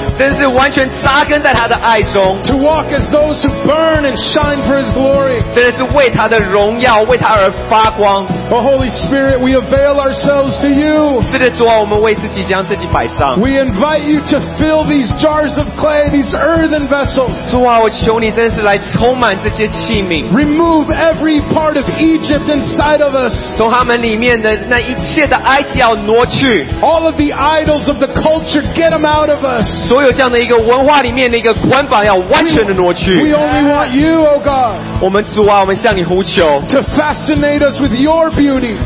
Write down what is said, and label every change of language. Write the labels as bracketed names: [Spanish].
[Chinese] 真是完全扎根在他的爱中。 [English] To walk as those who burn and shine for His glory, [Chinese] 真是为他的荣耀，为他而发光。 [English] Oh Holy Spirit, we avail ourselves to You. [Chinese] 是的，主啊，我们为自己将自己摆上。 [English] We invite You to fill these jars of clay, these earthen vessels. [Chinese] 主啊，我求你真是来充满这些器皿。 [English] Remove every part of Egypt inside of us. [Chinese] 从他们里面的那一切的埃及要挪去。 [English] All of the idols of the culture, get them out of us. [Chinese] 所有这样的一个文化里面的一个捆绑要完全的挪去。 [English] We only want You, O God. To fascinate us with your beauty.